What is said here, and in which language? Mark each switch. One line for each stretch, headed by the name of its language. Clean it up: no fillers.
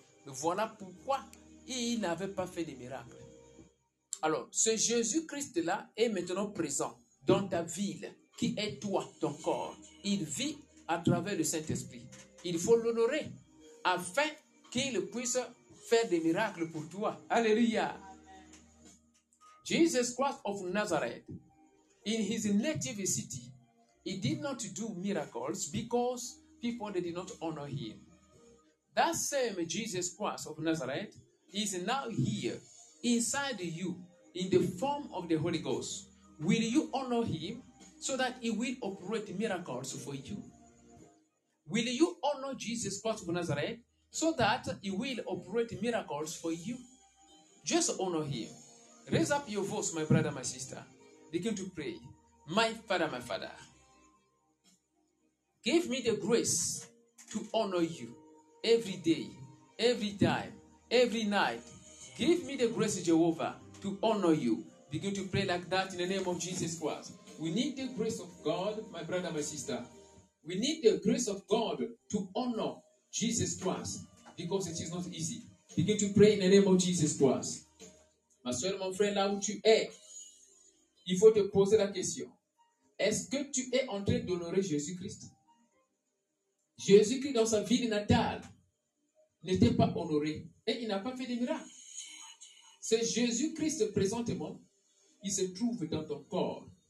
French: Voilà pourquoi il n'avait pas fait des miracles. Alors, ce Jésus-Christ-là est maintenant présent dans ta ville, qui est toi, ton corps. Il vit à travers le Saint-Esprit. Il faut l'honorer afin qu'il puisse faire des miracles pour toi. Alléluia!
English: Jesus Christ of Nazareth, in his native city, he did not do miracles because people did not honor him. That same Jesus Christ of Nazareth is now here inside you in the form of the Holy Ghost. Will you honor him so that he will operate miracles for you? Will you honor Jesus Christ of Nazareth so that he will operate miracles for you? Just honor him. Raise up your voice, my brother, my sister. Begin to pray. My Father, give me the grace to honor you every day, every time, every night. Give me the grace, Jehovah, to honor you. Begin to pray like that in the name of Jesus Christ. We need the grace of God, my brother, my sister. We need the grace of God to honor Jesus Christ because it is not easy. Begin to pray in the name of Jesus Christ.
French: Ma soeur, mon frère, là où tu es, il faut te poser la question. Est-ce que tu es en train d'honorer Jésus-Christ? Jésus-Christ, dans sa ville natale, n'était pas honoré et il n'a pas fait de miracles. C'est Jésus-Christ présentement qui se trouve dans ton corps.